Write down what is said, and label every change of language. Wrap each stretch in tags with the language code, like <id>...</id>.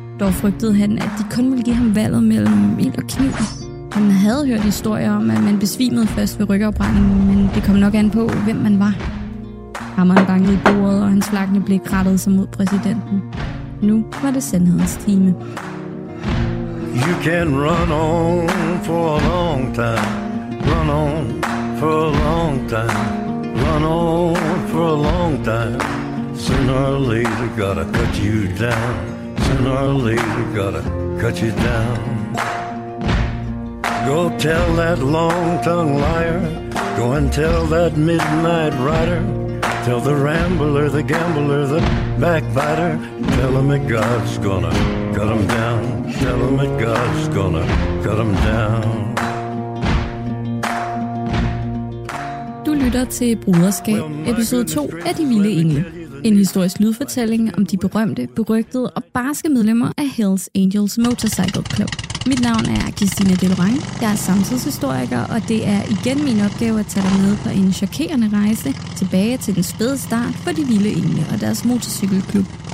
<da>Dog frygtede han, at de kun ville give ham valget mellem ild og kniv. Han havde hørt historier om, at man besvimede først ved rygopbrændingen, men det kom nok an på, hvem man var. Hammeren bankede i bordet, og hans flakne blik rettede sig mod præsidenten. Nu var det sandhedens time.</da> <en>You can run on for a long time. Run on for a long time. Run on for a long time. Sooner or later gotta cut you down. Sooner or later gotta cut you down. Go tell that long-tongued liar. Go and tell that midnight rider. Tell the rambler, the gambler, the backbiter. Tell him that God's gonna cut him down. Tell him that God's gonna cut him down.</en> <da>Du lytter til Broderskab, episode 2 af De Vilde Engle. En historisk lydfortælling om de berømte, berygtede og barske medlemmer af Hells Angels Motorcycle Club. Mit navn er Christina Delorange, jeg er samtidshistoriker, og det er igen min opgave at tage dig med på en chokerende rejse tilbage til den spæde start for De Vilde Engle og deres motorcykelklub.</da>